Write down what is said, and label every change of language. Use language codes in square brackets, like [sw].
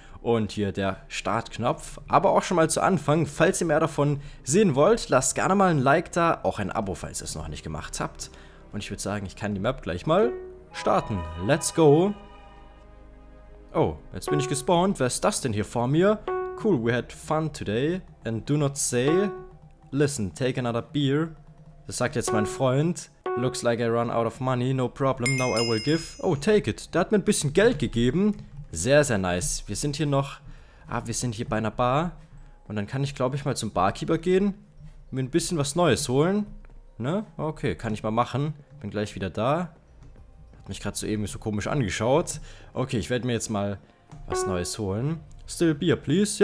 [de] Und hier der Startknopf. Aber auch schon mal zu Anfang, falls ihr mehr davon sehen wollt, lasst gerne mal ein Like da, auch ein Abo, falls ihr es noch nicht gemacht habt. Und ich würde sagen, ich kann die Map gleich mal starten. [en] Let's go. [de] Oh, jetzt bin ich gespawnt. Wer ist das denn hier vor mir? [en] Cool, we had fun today. And do not say, listen, take another beer. [de] Das sagt jetzt mein Freund. [en] Looks like I run out of money, no problem, now I will give. Oh, take it. [de] Der hat mir ein bisschen Geld gegeben. Sehr, sehr nice. Wir sind hier noch... wir sind hier bei einer Bar. Und dann kann ich, glaube ich, mal zum Barkeeper gehen. Mir ein bisschen was Neues holen. Ne? Okay, kann ich mal machen. Bin gleich wieder da. Hat mich gerade soeben so komisch angeschaut. Okay, ich werde mir jetzt mal was Neues holen. Still Bier, please.